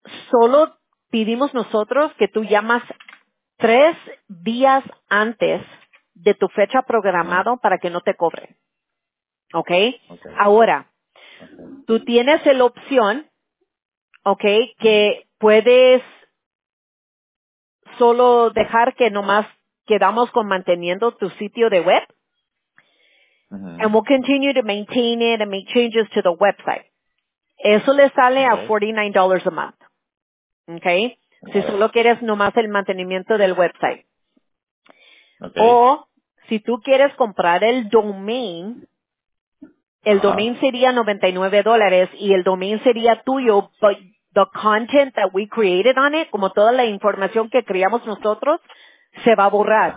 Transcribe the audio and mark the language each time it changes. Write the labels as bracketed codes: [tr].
[es] Solo pedimos nosotros que tú llamas 3 días antes de tu fecha programado para que no te cobre. Okay? Ahora, tú tienes la opción, okay, que puedes solo dejar que nomás quedamos con manteniendo tu sitio de web. [en] And we'll continue to maintain it and make changes to the website. [es] Eso le sale a $49 [en] a month. [es] Okay? Si solo quieres nomás el mantenimiento del website. O si tú quieres comprar el domain sería $99 y el domain sería tuyo, [en] but the content that we created on it, [es] como toda la información que creamos nosotros, se va a borrar.